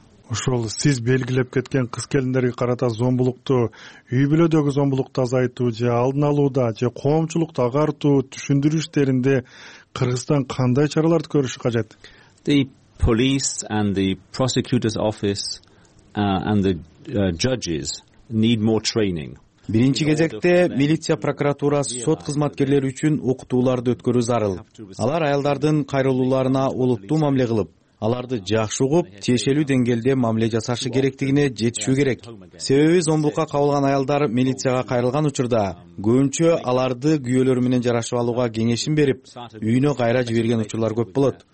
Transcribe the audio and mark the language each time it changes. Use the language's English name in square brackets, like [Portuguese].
[Kyrgyz] Ошол сиз белгилеп кеткен кыз келиндерге карата зомбулукту, үй бүлөдөгү зомбулукту азайтуу же алдын алууда же коомчулукту агартуу түшүндүрүштөрүндө Кыргызстан кандай чараларды көрүшү кажет? [English] Police and the prosecutor's office and the judges need more training. [Kyrgyz] Биринчи кезекте милиция, прокуратура, сот кызматкерлери үчүн окутууларды өткөрүү зарыл. Алар аялдардын кайрылууларына олуттуу мамиле кылып, аларды жакшы угуп, тиешелүү деңгээлде мамиле жасашы керектигине жетишүү керек. Себеби зомбулукка кабылган аялдар милицияга кайрылган учурда көбүнчө аларды күйөөлөрү менен жарашып алууга кеңешин берип, үйүнө кайра жиберген учурлар көп болот.